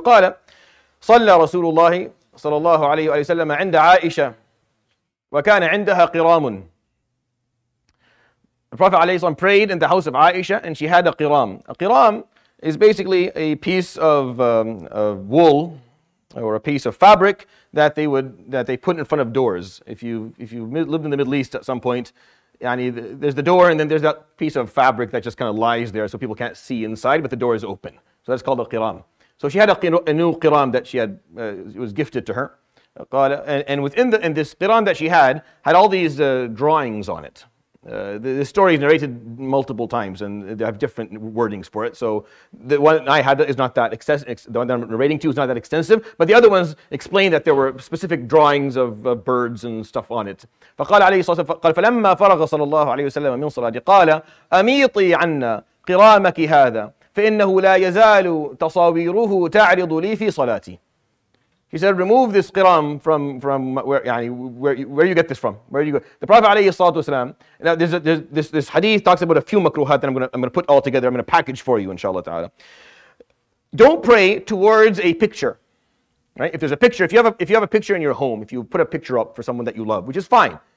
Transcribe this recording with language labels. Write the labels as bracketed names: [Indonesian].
[Arabic] قال صلى رسول الله صلى الله عليه وسلم عند عائشة وكان عندها قرام. [English] The Prophet عليه الصلاة والسلام prayed in the house of Aisha and she had a qiram. A qiram is basically a piece of wool or a piece of fabric that they put in front of doors. If you lived in the Middle East at some point, yani there's the door and then there's that piece of fabric that just kind of lies there so people can't see inside, but the door is open. So that's called a qiram. So she had a new qiram that she had, it was gifted to her. And within the, and this qiram that she had all these drawings on it. The story is narrated multiple times and they have different wordings for it. So the one I had is not that extensive, the one that I'm narrating to is not that extensive, but the other ones explain that there were specific drawings of birds and stuff on it. [Arabic] فقال عليه الصلاة والسلام قال فلما فرغ صلى الله عليه وسلم من صلاته قال أميطي عنا قرامك هذا فإنه لا يزال تصاويره تعرض لي في صلاتي. [English] He said, remove this qiram from where you get this from. Where do you go? The Prophet alayhi salatu wasalam, now this hadith talks about a few makruhat that I'm going to put all together. I'm going to package for you, inshallah ta'ala. Don't pray towards a picture, right? If there's a picture, if you have a picture in your home, if you put a picture up for someone that you love, which is fine.